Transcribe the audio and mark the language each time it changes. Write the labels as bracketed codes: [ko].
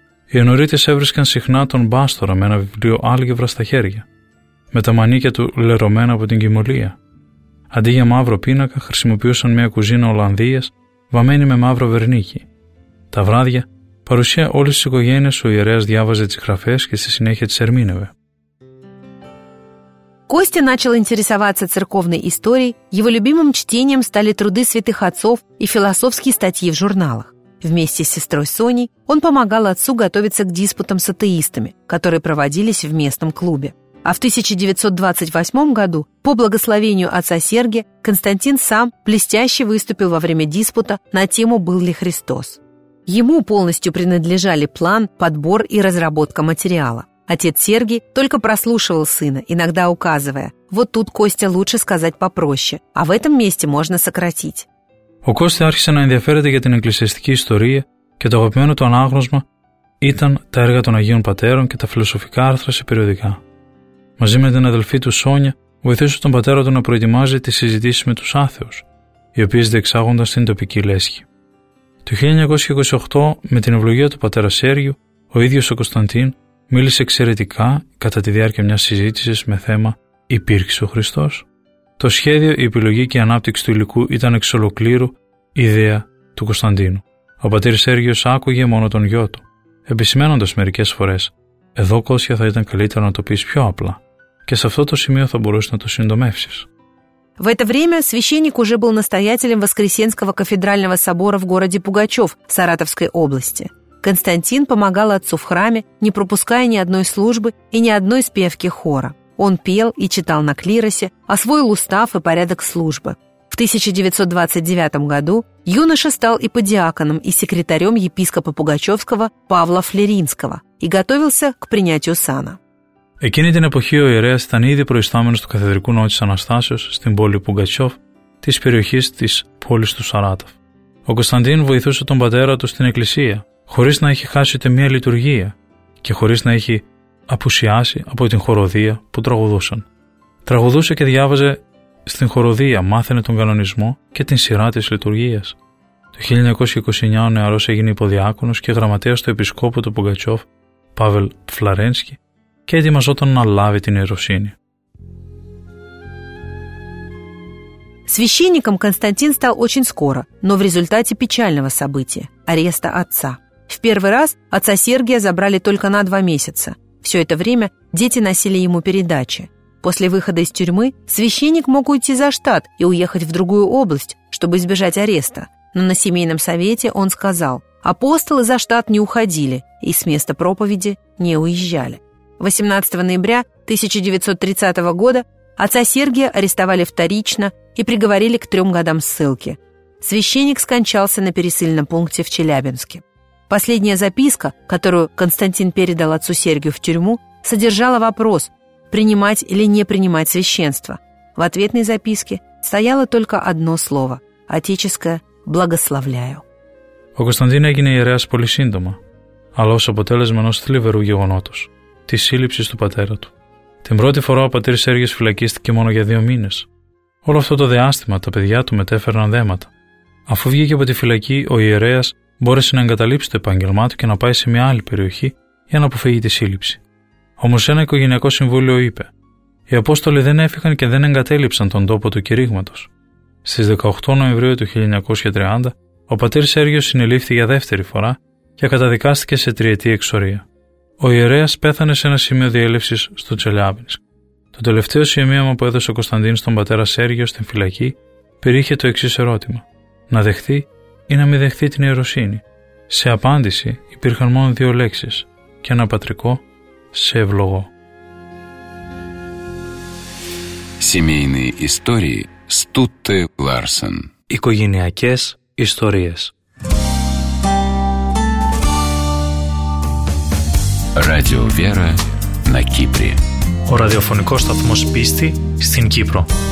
[el] Οι ενωρίτες έβρισκαν συχνά τον Μπάστορα με ένα βιβλίο άλγεβρα στα χέρια, με τα μανίκια του λερωμένα από την κυμολία. Αντί για μαύρο πίνακα, χρησιμοποιούσαν μια κουζίνα Ολλανδίας βαμμένη με μαύρο βερνίκι. Τα βράδια, παρουσία όλης της οικογένειας, ο ιερέας διάβαζε τις γραφές και στη συνέχεια τις ερμήνευε. [ru] Костя начал интересоваться церковной историей, его любимым чтением стали труды святых отцов и философские статьи в журналах. Вместе с сестрой Соней он помогал отцу готовиться к диспутам с атеистами, которые проводились в местном клубе. А в 1928 году, по благословению отца Сергия, Константин сам блестяще выступил во время диспута на тему «Был ли Христос?». Ему полностью принадлежали план, подбор и разработка материала. Отец Сергий только прослушивал сына, иногда указывая: «Вот тут, Костя, лучше сказать попроще, а в этом месте можно сократить». [el] Ο Κώστας άρχισε να ενδιαφέρεται για την εκκλησιαστική ιστορία και το αγαπημένο του ανάγνωσμα ήταν τα έργα των Αγίων Πατέρων και τα φιλοσοφικά άρθρα σε περιοδικά. Μαζί με την αδελφή του Σόνια βοηθούσε τον πατέρα του να προετοιμάζει τις συζητήσεις με τους άθεους, οι οποίες διεξάγονταν στην τοπική λέσχη. Το 1928, με την ευλογία του πατέρα Σέργιου, ο ίδιος ο Κωνσταντίν μίλησε εξαιρετικά κατά τη διάρκεια μιας συζήτησης με θέμα «Υπήρξε ο Χριστός». Το σχέδιο, η επιλογή και η ανάπτυξη του υλικού ήταν εξ ολοκλήρου ιδέα του Κωνσταντίνου. Ο πατήρ Σέργιος άκουγε μόνο τον γιο του, επισημένοντας μερικές φορές: «Εδώ, Κώστια, θα ήταν καλύτερο να το πεις πιο απλά. Και σε αυτό το σημείο θα μπορούσε να το συντομεύσεις». [ru] В это время священник уже был настоятелем Воскресенского кафедрального собора в городе Пугачёв, Саратовской области. Константин помогал отцу в храме, не пропуская ни одной службы и ни одной спевки хора. Он пел и читал на клиросе, освоил устав и порядок службы. В 1929 году юноша стал и подиаконом, и секретарем епископа Пугачевского Павла Флеринского и готовился к принятию сана. [el] Εκείνη την εποχή ο ιερέας ήταν ήδη προϊστάμενος του καθεδρικού ναού της Αναστάσεως στην πόλη Πουγκατσόφ της περιοχής της πόλης του Σαράτοφ. Ο Κωνσταντίν βοηθούσε τον πατέρα του στην εκκλησία, χωρίς να έχει χάσει ούτε μία λειτουργία και χωρίς να έχει απουσιάσει από την χοροδία που τραγουδούσαν. Τραγουδούσε και διάβαζε στην χοροδία, μάθαινε τον κανονισμό και την σειρά της λειτουργίας. Το 1929 ο νεαρός έγινε υποδιάκονος και γραμματέας του επισκόπου του Πουγκατσόφ, Παύλ Φλαρένσκι, και ετοιμαζόταν να λάβει την ιεροσύνη. [ru] Священником Константин стал очень скоро, но в результате печального события – ареста отца. В первый раз отца Сергия забрали только на 2 месяца. Все это время дети носили ему передачи. После выхода из тюрьмы священник мог уйти за штат и уехать в другую область, чтобы избежать ареста. Но на семейном совете он сказал: «Апостолы за штат не уходили и с места проповеди не уезжали». 18 ноября 1930 года отца Сергия арестовали вторично и приговорили к 3 годам ссылки. Священник скончался на пересыльном пункте в Челябинске. Последняя записка, которую Константин передал отцу Сергию в тюрьму, содержала вопрос, принимать или не принимать священство. В ответной записке стояло только одно слово – отеческое «благословляю». [el] Ο Константин έγινε ιερέας πολύ σύντομα. αλλά ως αποτέλεσμα ενός θλιβερού γεγονότος, της σύλληψης του πατέρα του. Την πρώτη φορά ο πατήρ Σέργιος φυλακίστηκε μόνο για 2 μήνες. Όλο αυτό το διάστημα τα παιδιά του μετέφεραν δέματα. Αφού βγήκε από τη φυλακή, ο ιερέας μπόρεσε να εγκαταλείψει το επάγγελμά του και να πάει σε μια άλλη περιοχή για να αποφύγει τη σύλληψη. Όμως ένα οικογενειακό συμβούλιο είπε: οι Απόστολοι δεν έφυγαν και δεν εγκατέλειψαν τον τόπο του κηρύγματος. Στις 18 Νοεμβρίου του 1930, ο πατήρ Σέργιος συνελήφθη για δεύτερη φορά και καταδικάστηκε σε 3ετή εξορία. Ο ιερέας πέθανε σε ένα σημείο διέλευσης στο Τσελιάβινσκ. Το τελευταίο σημείωμα που έδωσε ο Κωνσταντίνος στον πατέρα Σέργιο στην φυλακή περιείχε το εξής ερώτημα: να δεχθεί ή να μην δεχθεί την ιεροσύνη. Σε απάντηση υπήρχαν μόνο 2 λέξεις και ένα πατρικό «Σε ευλογώ». [ru] Семейные истории Стутте Ларсен. [el] Οικογενειακές ιστορίες. [ru] Радио Вера на Кипре. [el] Ο ραδιοφωνικός σταθμός πίστη στην Κύπρο.